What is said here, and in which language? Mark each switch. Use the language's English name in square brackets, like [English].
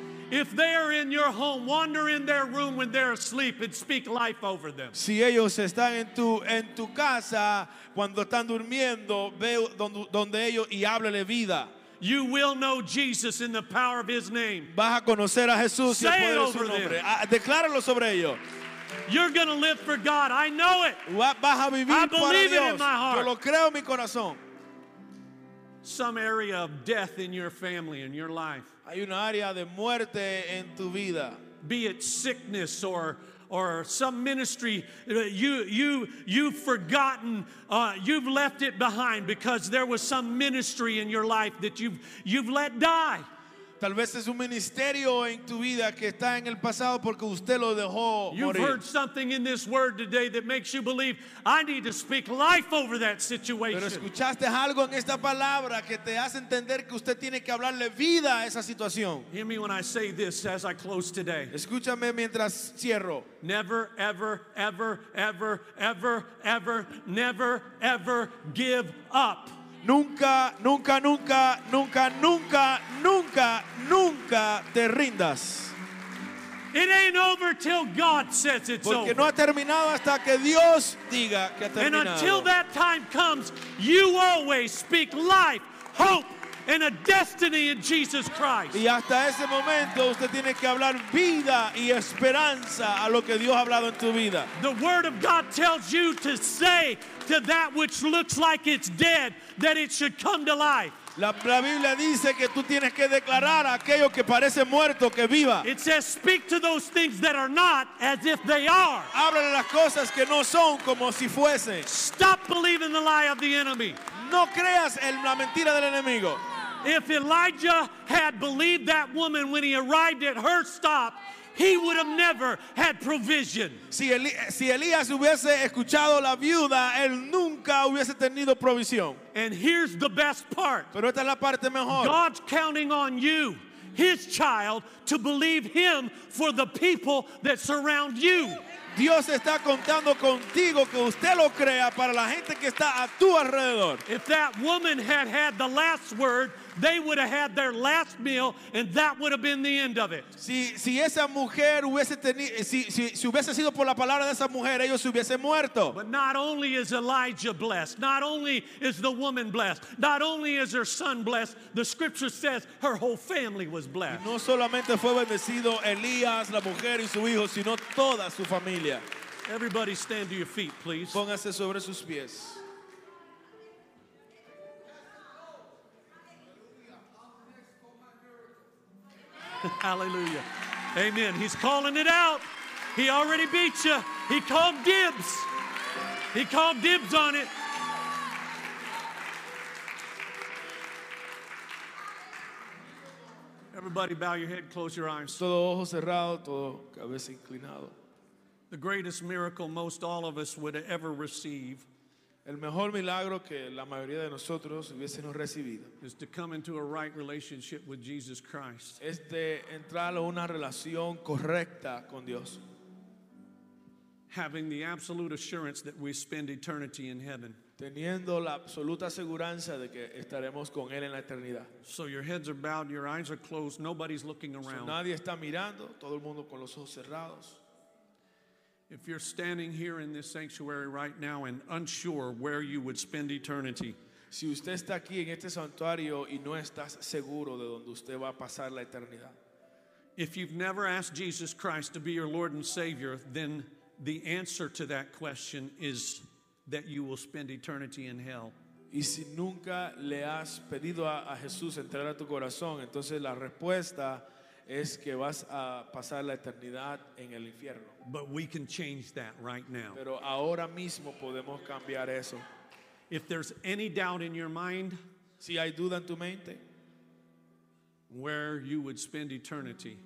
[English] If they are in your home, wander in their room when they're asleep and speak life over them. [Spanish] Si ellos están en tu casa cuando están durmiendo, ve donde ellos y háblale vida. [English] You will know Jesus in the power of His name. [Spanish] Vas a conocer a Jesús y el poder de su nombre. Decláralo sobre ellos. [English] You're going to live for God. I know it. [Spanish] Vas a vivir [English] I believe [Spanish] para [English] it [Spanish] Dios. [English] In my heart. [Spanish] Yo lo creo en mi corazón. [English] Some area of death in your family, in your life. [Spanish] Hay una área de muerte en tu vida. [English] Be it sickness or some ministry, you've forgotten, you've left it behind because there was some ministry in your life that you've let die. [Spanish] Tal vez es un ministerio en tu vida que está en el pasado porque usted lo dejó morir. [English] You've heard something in this word today that makes you believe I need to speak life over that situation. [Spanish] Pero escuchaste algo en esta palabra que te hace entender que usted tiene que hablarle vida a esa situación. [English] Hear me when I say this as I close today. [Spanish] Escúchame mientras cierro. [English] Never, ever, ever, ever, ever, ever, never, ever give up. [Spanish] Nunca, nunca, nunca, nunca, nunca, nunca, nunca te rindas. [English] It ain't over till God says it's [Spanish] Porque [English] over. [Spanish] No ha terminado hasta que Dios diga que ha terminado. [English] And until that time comes, you always speak life, hope, and a destiny in Jesus Christ. [Spanish] Y hasta ese momento usted tiene que hablar vida y esperanza a lo que Dios ha hablado en tu vida. [English] The word of God tells you to say to that which looks like it's dead that it should come to life. [Spanish] La Biblia dice que tú tienes que declarar aquello que parece muerto que viva. [English] It says speak to those things that are not as if they are. [Spanish] Háblale las cosas que no son como si fuesen. [English] Stop believing the lie of the enemy. [Spanish] No creas en la mentira del enemigo. [English] If Elijah had believed that woman when he arrived at her stop, he would have never had provision. [Spanish] Si Elías hubiese escuchado la viuda, él nunca hubiese tenido provisión. [English] And here's the best part. [Spanish] Pero esta es la parte mejor. [English] God's counting on you, his child, to believe him for the people that surround you. [Spanish] Dios está contando contigo que usted lo crea para la gente que está a tu alrededor. [English] If that woman had had the last word, they would have had their last meal and that would have been the end of it. [Spanish] Si esa mujer hubiese tenido si hubiese sido por la palabra de esa mujer, ellos se hubiesen muerto. [English] But not only is Elijah blessed, not only is the woman blessed, not only is her son blessed, the scripture says her whole family was blessed. [Spanish] No solamente fue bendecido Elías, la mujer y su hijo, sino toda su familia. [English] Everybody stand to your feet, please. [Spanish] Póngase sobre sus pies. [English] Hallelujah. Amen. He's calling it out. He already beat you. He called dibs. He called dibs on it. Everybody bow your head, close your eyes. [Spanish] Todo ojo cerrado, todo cabeza inclinado. [English] The greatest miracle most all of us would ever receive. [Spanish] El mejor milagro que la mayoría de nosotros hubiésemos recibido [English] is to come into a right relationship with Jesus Christ. [Spanish] Es de entrar a una relación correcta con Dios. [English] Having the absolute assurance that we spend eternity in heaven. [Spanish] Teniendo la absoluta seguridad de que estaremos con Él en la eternidad. [English] So your heads are bowed, your eyes are closed, nobody's looking around. [Spanish] So nadie está mirando, todo el mundo con los ojos cerrados. [English] If you're standing here in this sanctuary right now and unsure where you would spend eternity, [Spanish] si usted está aquí en este santuario y no estás seguro de dónde usted va a pasar la eternidad, [English] if you've never asked Jesus Christ to be your Lord and Savior, then the answer to that question is that you will spend eternity in hell. [Spanish] Y si nunca le has pedido a Jesús entrar a tu corazón, entonces la respuesta es que vas a pasar la eternidad en el infierno. [English] But we can change that right now. [Spanish] Pero ahora mismo podemos cambiar eso. [English] If there's any doubt in your mind, [Spanish] si hay duda en tu mente, [English] where you would spend eternity.